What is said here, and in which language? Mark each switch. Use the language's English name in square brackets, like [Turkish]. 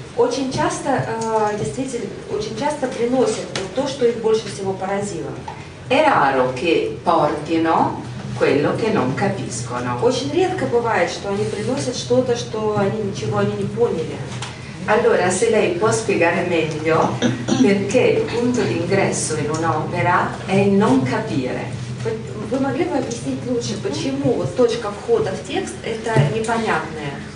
[Russian] Очень часто, действительно, очень часто приносят то, что их больше всего поразило. [Italian] È raro che portino quello che non capiscono. [Russian] Очень редко бывает, что они приносят что-то, что они ничего они не поняли. [Italian] Allora, se lei può spiegare meglio perché il punto d'ingresso in un'opera è il non capire. [Russian] Вы могли бы объяснить лучше, почему вот точка входа в текст – это непонятное?